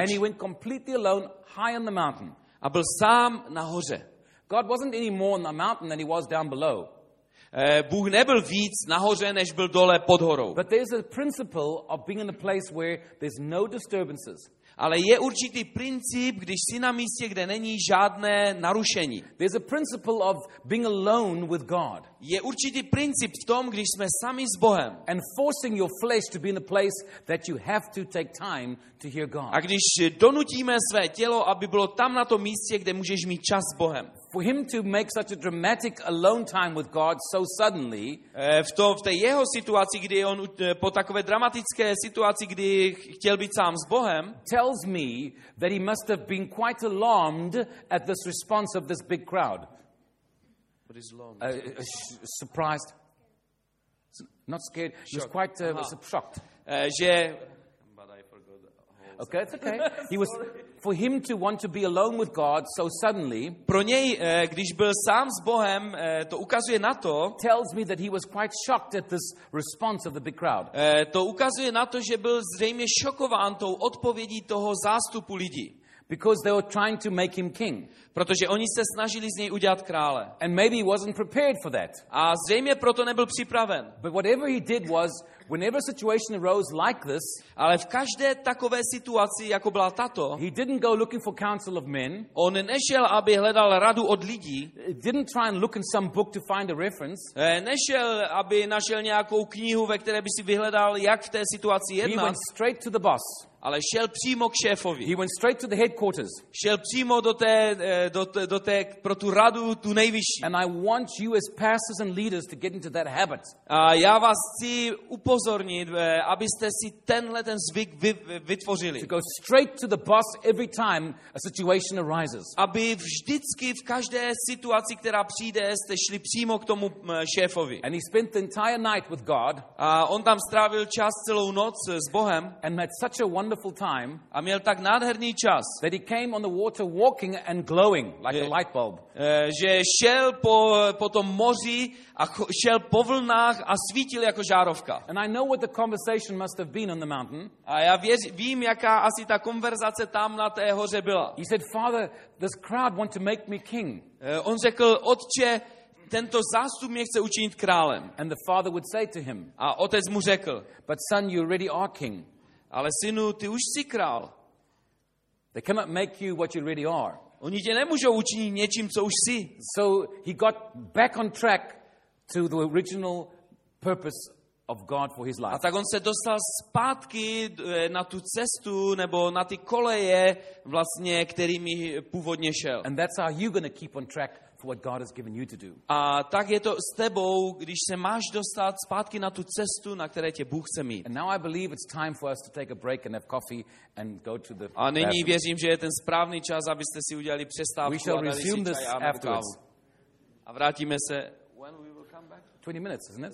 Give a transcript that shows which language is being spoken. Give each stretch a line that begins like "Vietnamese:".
English: And he went completely alone, high on the mountain.
Czech: A byl sám nahoře.
English: God wasn't any more on the mountain than he was down below.
Czech: Bůh nebyl víc nahoře, než byl dole pod horou.
English: But there's a principle of being in a place where there's no disturbances.
Czech: Ale je určitý princip, když jsi na místě, kde není žádné narušení.
English: There's a principle of being alone with God.
Czech: Je určitý princip v tom, když jsme sami s Bohem.
English: And forcing your flesh to be in a place that you have to take time to hear God.
Czech: A když donutíme své tělo, aby bylo tam na tom místě, kde můžeš mít čas s Bohem.
English: For him to make such a dramatic alone time with God so suddenly.
Czech: V té jeho situaci, kdy on po takové dramatické situaci, kdy chtěl být sám s Bohem,
English: tells me that he must have been quite alarmed at this response of this big crowd. But he's alarmed. Surprised. Not scared. Shocked. He was quite shocked. But I forgot the whole. Okay, it's okay. He was. For him to want to be alone with God so suddenly,
Czech: pro něj, když byl sám s Bohem, to ukazuje na to,
English: tells me that he was quite shocked at this response of the big crowd.
Czech: To ukazuje na to, že byl zřejmě šokován tou odpovědí toho zástupu lidí.
English: Because they were trying to make him king.
Czech: Protože oni se snažili z něj udělat krále.
English: And maybe he wasn't prepared for that.
Czech: A zřejmě proto nebyl připraven.
English: But whatever he did was, whenever a situation arose like this,
Czech: ale v každé takové situaci, jako byla tato,
English: he didn't go looking for counsel of men.
Czech: On nešel, aby hledal radu od lidí.
English: Didn't try and look in some book to find a reference.
Czech: Nešel, aby našel nějakou knihu, ve které by si vyhledal, jak v té situaci jednat.
English: He went straight to the boss.
Czech: Ale šel přímo k šéfovi.
English: He went straight to the headquarters.
Czech: Šel přímo do té pro tu radu tu nejvyšší.
English: And I want you as pastors and leaders to get into that habit.
Czech: A já vás chci upozornit, abyste si tenhle ten zvyk vytvořili.
English: To go straight to the boss every time a situation arises.
Czech: Aby vždycky v každé situaci, která přijde, jste šli přímo k tomu šéfovi.
English: And he spent the entire night with God.
Czech: A on tam strávil čas celou noc s Bohem.
English: And had such a wonderful time.
Czech: A měl tak nádherný čas.
English: That he came on the water walking and glowing like a light bulb.
Czech: Že šel po tom moři a šel po vlnách a svítil jako žárovka.
English: And I know what the conversation must have been on the mountain.
Czech: A já vím, jaká asi ta konverzace tam na té hoře byla.
English: He said, "Father, this crowd want to make me king."
Czech: On řekl: "Otče, tento zástup mě chce učinit králem."
English: And the father would say to him.
Czech: A otec mu řekl:
English: "But son, you already are king."
Czech: Ale synu, ty už jsi král.
English: They cannot make you what you really are.
Czech: Oni tě nemůžou učinit něčím, co už jsi.
English: So he got back on track to the original purpose of God for his life.
Czech: A tak on se dostal zpátky na tu cestu nebo na ty koleje, vlastně, kterými původně šel.
English: And that's how you're going to keep on track for what God has given you to do.
Czech: A tak je to s tebou, když se máš dostat zpátky na tu cestu, na které tě Bůh chce mít.
English: And now I believe it's time for us to take a break and have coffee and go to the.
Czech: A nyní věřím, že je ten správný čas, abyste si udělali přestávku.
English: We shall resume this afterwards.
Czech: A vrátíme se.
English: When we will come back? 20 minutes, isn't it?